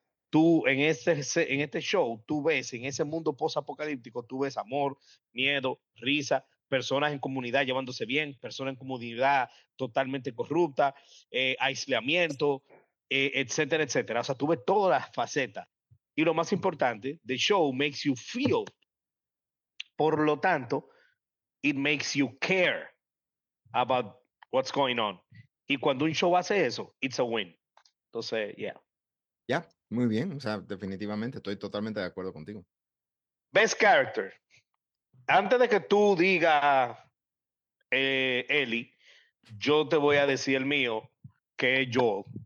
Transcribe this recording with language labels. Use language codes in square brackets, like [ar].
[es] Tú, en este show, tú ves, en ese mundo post-apocalíptico, tú ves amor, miedo, risa, personas en comunidad llevándose bien, personas en comunidad totalmente corrupta, aislamiento, etcétera, etcétera. O sea, tú ves todas las facetas. Y lo más importante, [en] the show makes you feel. [es] Por lo tanto, [en] it makes you care about what's going on. [es] Y cuando un show hace eso, [en] it's a win. [es] Entonces, [en] Yeah, [es] muy bien. O sea, definitivamente estoy totalmente de acuerdo contigo. [en] Best character. [es] Antes de que tú digas, Ellie, yo te voy a decir el mío, que es Joel.